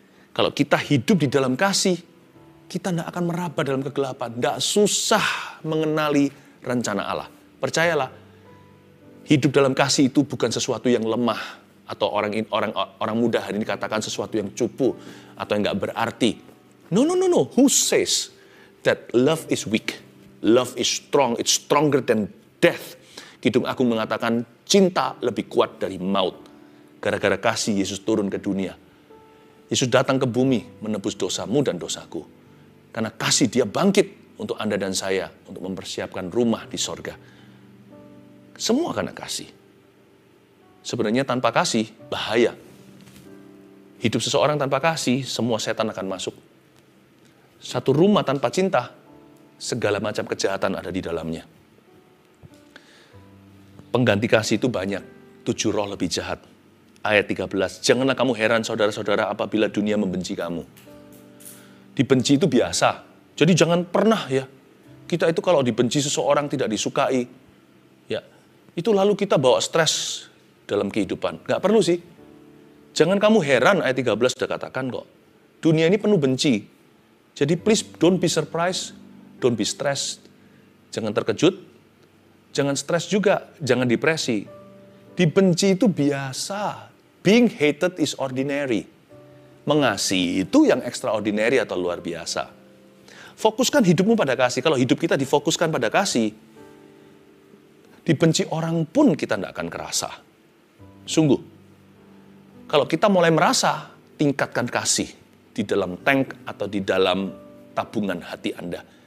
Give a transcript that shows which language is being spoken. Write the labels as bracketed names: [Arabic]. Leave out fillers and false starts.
[Indonesian] Kalau kita hidup di dalam kasih, kita gak akan meraba dalam kegelapan. Gak susah mengenali rencana Allah. Percayalah, hidup dalam kasih itu bukan sesuatu yang lemah. Atau orang muda hari ini katakan sesuatu yang cupu atau yang gak berarti. [English] No. Who says that love is weak? Love is strong. It's stronger than death. [Indonesian] Kidung Agung mengatakan cinta lebih kuat dari maut. Gara-gara kasih Yesus turun ke dunia. Yesus datang ke bumi menebus dosamu dan dosaku. Karena kasih dia bangkit untuk Anda dan saya. Untuk mempersiapkan rumah di sorga. Semua karena kasih. Sebenarnya tanpa kasih bahaya. Hidup seseorang tanpa kasih semua setan akan masuk. Satu rumah tanpa cinta, segala macam kejahatan ada di dalamnya. Pengganti kasih itu banyak, 7 roh lebih jahat. Ayat 13, janganlah kamu heran saudara-saudara apabila dunia membenci kamu. Dibenci itu biasa, jadi jangan pernah ya. Kita itu kalau dibenci seseorang tidak disukai, ya itu lalu kita bawa stres dalam kehidupan. Gak perlu sih. Jangan kamu heran, ayat 13 sudah katakan kok. Dunia ini penuh benci. Jadi [English] please don't be surprised, don't be stressed. [Indonesian] Jangan terkejut, jangan stres juga, jangan depresi. Dibenci itu biasa. [English] Being hated is ordinary. [Indonesian] Mengasihi itu yang extraordinary atau luar biasa. Fokuskan hidupmu pada kasih. Kalau hidup kita difokuskan pada kasih, dibenci orang pun kita gak akan kerasa. Sungguh, kalau kita mulai merasa, tingkatkan kasih di dalam tank atau di dalam tabungan hati Anda.